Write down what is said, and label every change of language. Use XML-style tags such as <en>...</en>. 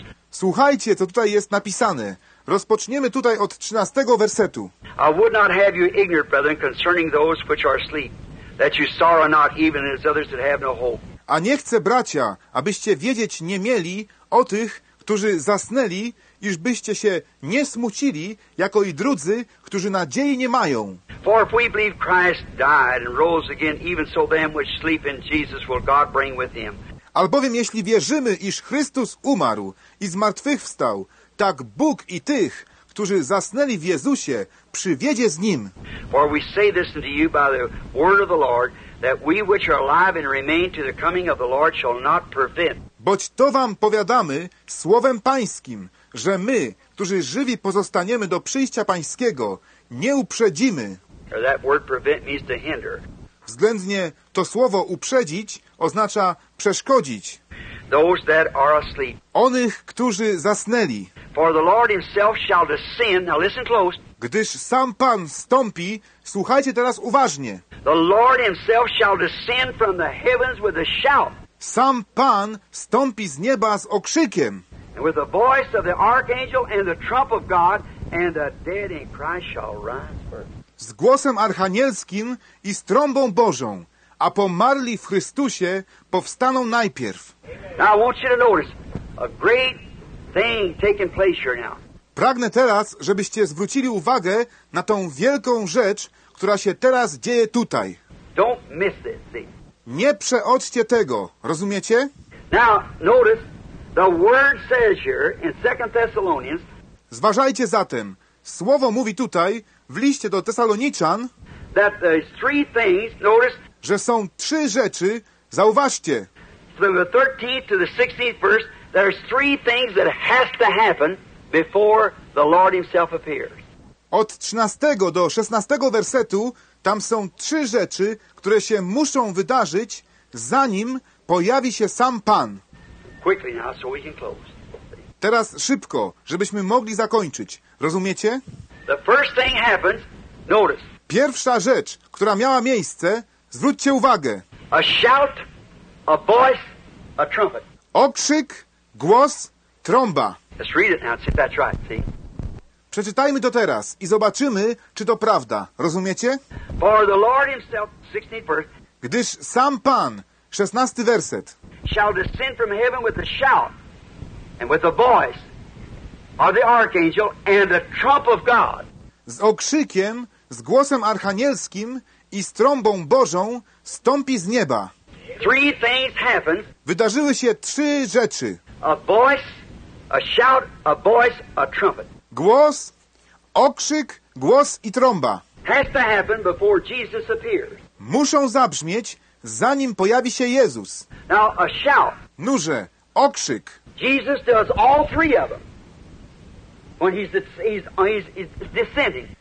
<pl>Słuchajcie, co tutaj jest napisane. Rozpoczniemy tutaj od 13 wersetu.</pl> <en>I would not have you ignorant, brethren, concerning those which are asleep, that you sorrow not even as others that have no hope.</en> <pl>A nie chcę, bracia, abyście wiedzieć nie mieli o tych, którzy zasnęli, iż byście się nie smucili, jako i drudzy, którzy nadziei nie mają.</pl> <en>For if we believe Christ died and rose again, even so them which sleep in Jesus will God bring with him.</en> <pl>Albowiem jeśli wierzymy, iż Chrystus umarł i zmartwychwstał, tak Bóg i tych, którzy zasnęli w Jezusie, przywiedzie z Nim.</pl> <en>For we say this unto you by the word of the Lord, that we which are alive and remain to the coming of the Lord shall not prevent.</en> <pl>Boć to wam powiadamy słowem Pańskim, że my, którzy żywi pozostaniemy do przyjścia Pańskiego, nie uprzedzimy.</pl> <en>Or that word prevent means to hinder.</en> <pl>Względnie to słowo uprzedzić oznacza przeszkodzić.</pl> <en>Those that are asleep.</en> <pl>Onych, którzy zasnęli.</pl> <en>For the Lord himself shall descend. Now listen close.</en> <pl>Gdyż sam Pan stąpi, słuchajcie teraz uważnie.</pl> <en>The Lord himself shall descend from the heavens with a shout.</en> <pl>Sam Pan stąpi z nieba z okrzykiem.</pl> <en>And with the voice of the archangel and the trump of God, and the dead in Christ shall rise first.</en> <pl>Z głosem archanielskim i z trąbą Bożą, a pomarli w Chrystusie powstaną najpierw.</pl> <en>Now I want you to notice a great thing taking place here now.</en> <pl>Pragnę teraz, żebyście zwrócili uwagę na tą wielką rzecz, która się teraz dzieje tutaj.</pl> <en>Don't miss it, see?</en> <pl>Nie przeoczcie tego, rozumiecie?</pl> <en>Now, notice, the word says here in 2 Thessalonians.</en> <pl>Zważajcie zatem, słowo mówi tutaj w liście do Tesaloniczan,</pl> <en>that there's three things, notice,</en> <pl>że są trzy rzeczy, zauważcie.</pl> <en>From the 13th to the 16th verse, there's three things that has to happen before the Lord himself appears.</en> <pl>Od 13 do 16 wersetu tam są trzy rzeczy, które się muszą wydarzyć, zanim pojawi się sam Pan.</pl> <en>Quickly now, so we can close.</en> <pl>Teraz szybko, żebyśmy mogli zakończyć. Rozumiecie?</pl> <en>The first thing happens, notice.</en> <pl>Pierwsza rzecz, która miała miejsce, zwróćcie uwagę.</pl> <en>A shout, a voice, a trumpet.</en> <pl>Okrzyk, głos, trąba.</pl> <en>Let's read it now, see if that's right, see?</en> <pl>Przeczytajmy to teraz i zobaczymy, czy to prawda. Rozumiecie?</pl> <en>For the Lord himself, 16th verse,</en> <pl>gdyż sam Pan, 16 werset,</pl> <en>shall descend from heaven with a shout and with a voice of the archangel and the trump of God.</en> <pl>Z okrzykiem, z głosem archanielskim i z trąbą Bożą stąpi z nieba.</pl> <en>Three things happen.</en> <pl>Wydarzyły się trzy rzeczy.</pl> <en>A voice, a shout, a voice, a trumpet.</en> <pl>Głos, okrzyk, głos i trąba.</pl> <en>Has to happen before Jesus appears.</en> <pl>Muszą zabrzmieć, zanim pojawi się Jezus.</pl> <en>Now, a shout.</en> <pl>Nurze, okrzyk.</pl> <en>Jesus does all three of them when he's descending.</en>